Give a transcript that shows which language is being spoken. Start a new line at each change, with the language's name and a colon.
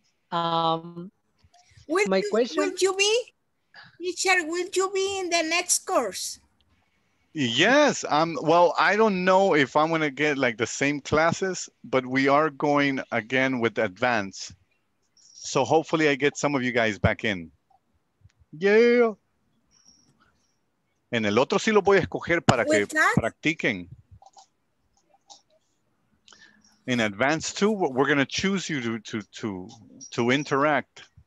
English: Will you be in the next course? Yes. Well, I don't know if I'm gonna get like the same classes, but we are going again with advance. So hopefully I get some of you guys back in. Yeah.
Spanish: En el otro sí lo voy a escoger para que practiquen.
English: In advance too, we're going to choose you to interact.